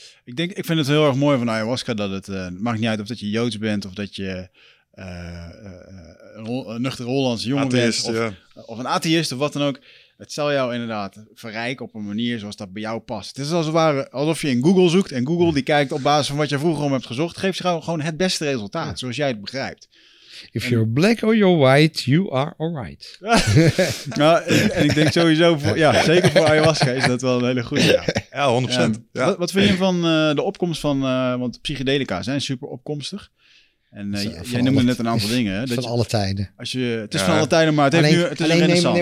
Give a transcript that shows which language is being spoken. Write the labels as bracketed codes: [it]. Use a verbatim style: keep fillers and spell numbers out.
[nl] Ik denk, ik vind het heel erg mooi van ayahuasca dat het uh, maakt niet uit of dat je Joods bent of dat je uh, uh, een nuchter Hollandse jongen atheïst, bent of, ja. of een atheïst of wat dan ook. Het zal jou inderdaad verrijken op een manier zoals dat bij jou past. Het is als het ware alsof je in Google zoekt en Google die kijkt op basis van wat je vroeger om hebt gezocht, geeft jou gewoon het beste resultaat ja. zoals jij het begrijpt. [en] If en, you're black or you're white, you are alright. [nl] nou, en, en ik denk sowieso, voor, ja, zeker voor ayahuasca is dat wel een hele goede. Ja, ja honderd procent. Ja. Ja. Wat, wat vind je van uh, de opkomst van, uh, want psychedelica zijn super opkomstig. En uh, Zo, jij noemde net een aantal dingen. Hè, dat van je, alle tijden. Als je, het is ja. van alle tijden, maar het, heeft alleen, nu, het is alleen een renaissance.